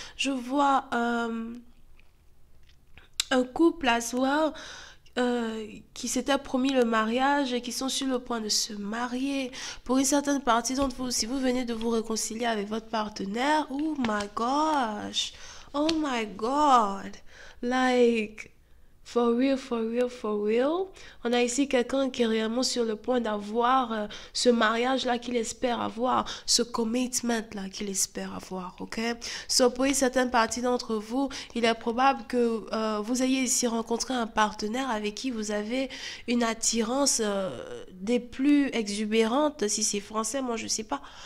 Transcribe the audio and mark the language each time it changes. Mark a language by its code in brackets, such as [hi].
[fr] Je vois un couple à soi qui s'était promis le mariage et qui sont sur le point de se marier. Pour une certaine partie d'entre vous, si vous venez de vous réconcilier avec votre partenaire, [en] oh my gosh, oh my god, like... For real, for real, for real. [fr] On a ici quelqu'un qui est réellement sur le point d'avoir ce mariage-là qu'il espère avoir, ce commitment-là qu'il espère avoir, ok? So, pour certaines parties d'entre vous, il est probable que vous ayez ici rencontré un partenaire avec qui vous avez une attirance des plus exubérantes, si c'est français, moi je sais pas.